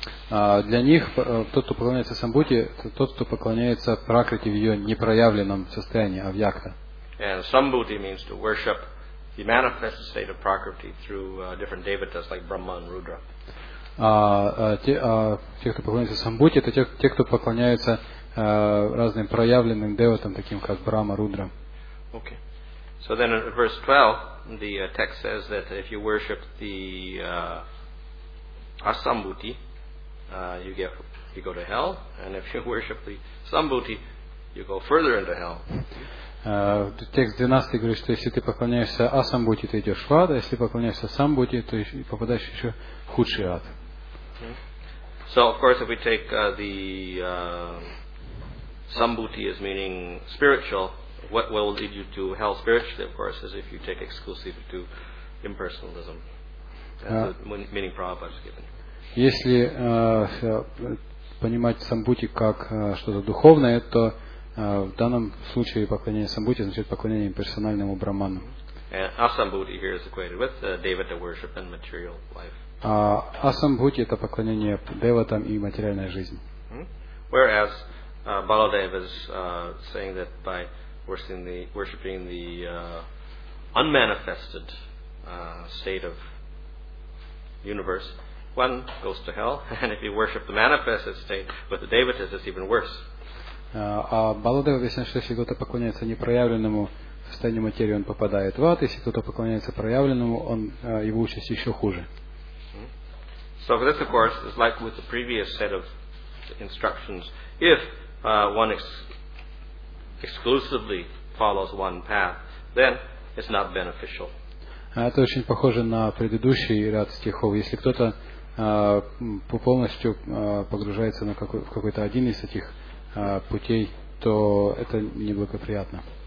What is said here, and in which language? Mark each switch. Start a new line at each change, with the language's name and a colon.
Russian: Для них тот, кто поклоняется самбхути, тот, кто поклоняется пракрити в ее непроявленном состоянии, авьякта.
English: And samambhuti means to worship the manifested state of prakriti through different devatas like Brahma and Rudra.
Russian: Те, кто поклоняется самбхути, это те, кто поклоняется разным проявленным деватам, таким как Брама, Рудра.
English: Okay. So then in verse 12, the text says that if you worship the Asambhuti, you go to hell, and if you worship the Sambhuti, you go further into hell.
Russian: Текст 12 говорит, что если ты поклоняешься Асамбути, ты идешь в ад, а если поклоняешься Самбути, то попадаешь еще в худший ад.
English: So, of course, if we take the Sambhuti as meaning spiritual, what will lead you to hell spiritually, of course, is if you take exclusive to impersonalism. That's the meaning Prabhupada has given.
Russian: Если понимать Самбути как что-то духовное, то в данном случае поклонение Самбути значит поклонение имперсональному Браману.
English: Асамбути here is equated with Devata worship and material life.
Russian: Асамбути это поклонение деватам и материальная жизнь.
English: Whereas Baladeva is saying that by worshiping the unmanifested state of universe, one goes to hell, and if you worship the manifested state with the Devatas, it's even worse.
Russian: А Баладева объясняет, что если кто-то поклоняется непроявленному состоянию материи, он попадает в ад. Если кто-то поклоняется проявленному, он его участь еще хуже.
English: So this, of course, is like with the previous set of instructions. If one exclusively follows one path, then it's not beneficial.
Russian: Это очень похоже на предыдущий ряд стихов. Если кто-то полностью погружается на какой-то один из этих путей, то это неблагоприятно.